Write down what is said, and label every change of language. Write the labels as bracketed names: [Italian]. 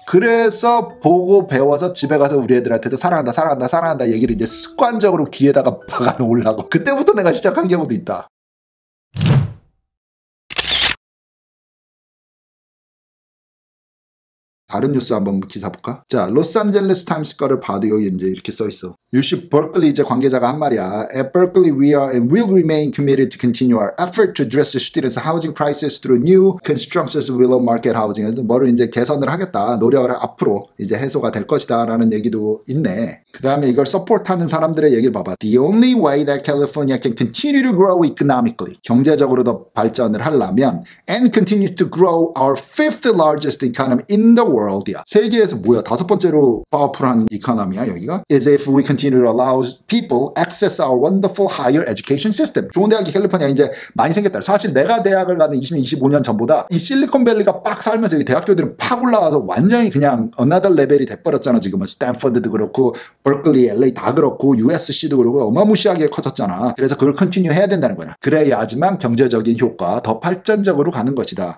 [Korean] 그래서 보고 배워서 집에 가서 우리 애들한테도 사랑한다 사랑한다 사랑한다 얘기를 이제 습관적으로 귀에다가 박아 놓으려고 그때부터 내가 시작한 경우도 있다. 다른 뉴스 한번 기사 볼까? 자, 로스앤젤레스 타임스 거를 봐도 여기 이제 이렇게 써 있어. UC 버클리 이제 관계자가 한 말이야. [English] At Berkeley, we are and will remain committed to continue our effort to address the students' housing crisis through new constructions of below market housing. [Korean] 뭐를 이제 개선을 하겠다. 노력을 앞으로 이제 해소가 될 것이다. 라는 얘기도 있네. 그 다음에 이걸 서포트하는 사람들의 얘기를 봐봐. [English] The only way that California can continue to grow economically. [Korean] 경제적으로 더 발전을 하려면 [English] and continue to grow our fifth largest economy in the world이야. [Korean] 세계에서 뭐야? 다섯 번째로 파워풀한 이카나미야 여기가? [English] Is if we continue to allow people access our wonderful higher education system. [Korean] 좋은 대학이 캘리포니아 이제 많이 생겼다. 사실 내가 대학을 가는 20년, 25년 전보다 이 실리콘밸리가 빡 살면서 이 대학교들이 팍 올라와서 완전히 그냥 another level이 돼버렸잖아. 지금은 스탠퍼드도 그렇고 버클리, LA 다 그렇고 USC도 그렇고 어마무시하게 커졌잖아. 그래서 그걸 continue 해야 된다는 거야. 그래야지만 경제적인 효과 더 발전적으로 가는 것이다.